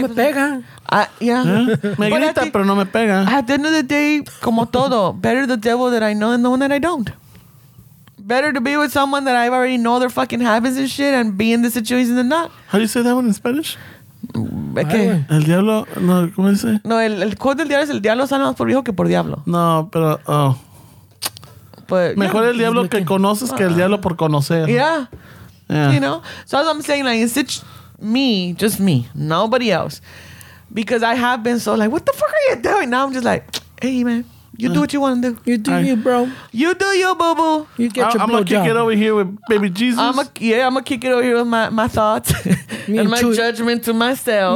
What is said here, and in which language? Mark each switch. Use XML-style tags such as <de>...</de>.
<es>Pues no me pega. Me grita, pero no me pega.</es> <en>At the end of the day,</en> <es>como todo,</es> <en>better the devil that I know than the one that I don't. Better to be with someone that I already know their fucking habits and shit and be in this situation than not. How do you say that one in Spanish? Okay.</en> <es>El diablo... No, ¿cómo dice? No, el quote del diablo es el diablo sale más por viejo que por diablo. No, pero... Oh.</es> <en>But,</en> <es>mejor yeah, el diablo que conoces que el diablo por conocer.</es> <en>Yeah. You know? So as I'm saying, like, it's just me, nobody else. Because I have been so like, what the fuck are you doing? Now I'm just like, hey, man, you do what you want to do. You do you, bro. You do you, boo-boo. You get your blowjob. I'm going to kick it over here with baby Jesus. I'm going to kick it over here with my thoughts and my judgment to myself.</en>